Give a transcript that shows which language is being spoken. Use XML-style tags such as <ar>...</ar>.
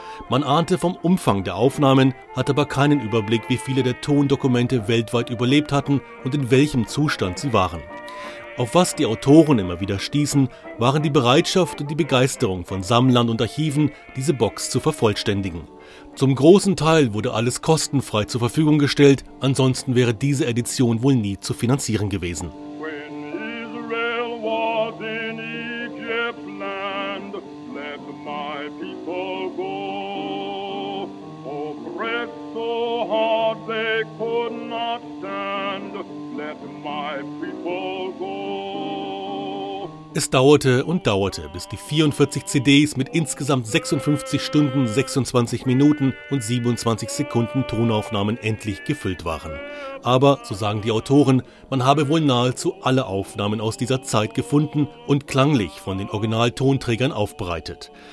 <de>Man ahnte vom Umfang der Aufnahmen, hatte aber keinen Überblick, wie viele der Tondokumente weltweit überlebt hatten und in welchem Zustand sie waren. Auf was die Autoren immer wieder stießen, waren die Bereitschaft und die Begeisterung von Sammlern und Archiven, diese Box zu vervollständigen. Zum großen Teil wurde alles kostenfrei zur Verfügung gestellt, ansonsten wäre diese Edition wohl nie zu finanzieren gewesen.</de> <en>When Israel was in Egypt land, let my people go. Oppressed so hard they could not stand, let my people go.</en> <de>Es dauerte und dauerte, bis die 44 CDs mit insgesamt 56 Stunden, 26 Minuten und 27 Sekunden Tonaufnahmen endlich gefüllt waren. Aber, so sagen die Autoren, man habe wohl nahezu alle Aufnahmen aus dieser Zeit gefunden und klanglich von den Originaltonträgern aufbereitet.</de>